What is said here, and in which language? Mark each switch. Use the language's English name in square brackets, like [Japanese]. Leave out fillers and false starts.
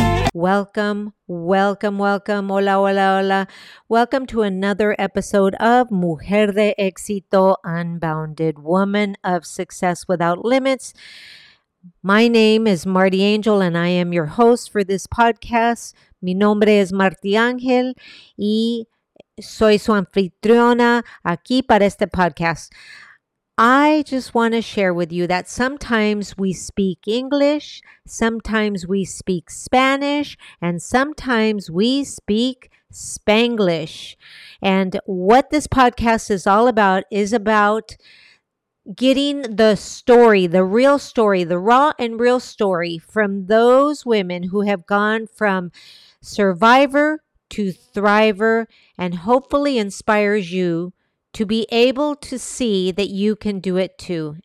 [English] Welcome, welcome, welcome. [Spanish] Hola, hola, hola. [English] Welcome to another episode of Mujer de Éxito Unbounded, Woman of Success Without Limits. My name is Marti Ángel and I am your host for this podcast. [Spanish] Mi nombre es Marti Ángel y soy su anfitriona aquí para este podcast. [English] I just want to share with you that sometimes we speak English, sometimes we speak Spanish, and sometimes we speak Spanglish. And what this podcast is about getting the story, the real story, the raw and real story from those women who have gone from survivor to thriver, and hopefully inspires you to be able to see that you can do it too.